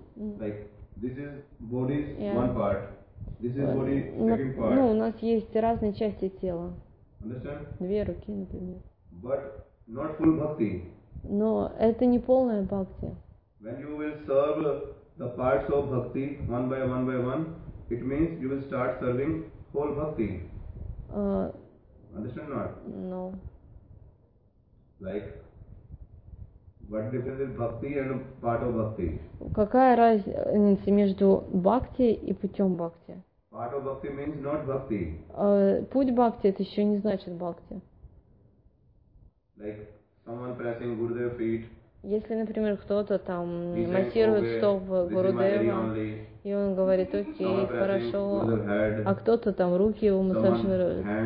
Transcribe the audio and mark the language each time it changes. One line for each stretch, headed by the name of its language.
English: Like this is body's one part. This is body second part.
Russian: Ну, у нас есть разные части тела.
English: Understand?
Russian: Две руки, например.
English: But not full bhakti.
Russian: Но это не полная бхакти.
English: When you will serve the parts of bhakti one by one by one, it means you will start serving whole bhakti. Understand not? No. Like, what difference is bhakti and part of bhakti?
Russian: Какая разница между бхакти и путем бхакти?
English: Part of bhakti means not bhakti.
Russian: Путь бхакти это еще не значит бхакти.
English: Like someone pressing Gurudev's feet.
Russian: Если, например, кто-то там массирует стоп Гурудева, и он говорит, окей, хорошо, а кто-то там руки его массажирует.